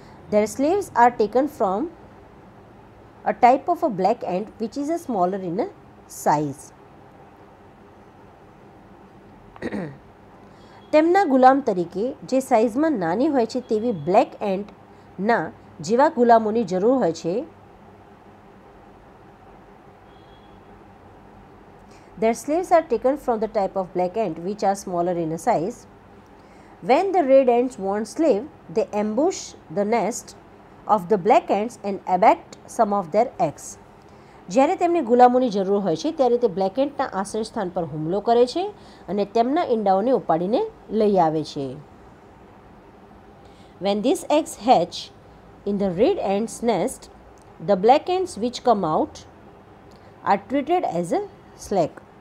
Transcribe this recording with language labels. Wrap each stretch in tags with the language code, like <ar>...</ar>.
<en>Their slaves are taken from a type of a black ant which is a smaller in a size.</en> <gu>તેમના ગુલામ તરીકે જે સાઇઝમાં નાની હોય છે તેવી બ્લેક એન્ટના જેવા ગુલામોની જરૂર હોય છે।</gu> <en>Their slaves are taken from the type of black ant which are smaller in a size. When the red ants want slave, they ambush the nest of the black ants and abduct some of their eggs.</en> <gu>જ્યારે તેમને ગુલામોની જરૂર હોય છે ત્યારે તે black એન્ટના આશ્રયસ્થાન પર હુમલો કરે છે અને તેમના ઈંડાઓને ઉપાડીને લઈ આવે છે।</gu> <en>When these eggs hatch in the red ants nest, the black ants which come out are treated as a slaves.</en>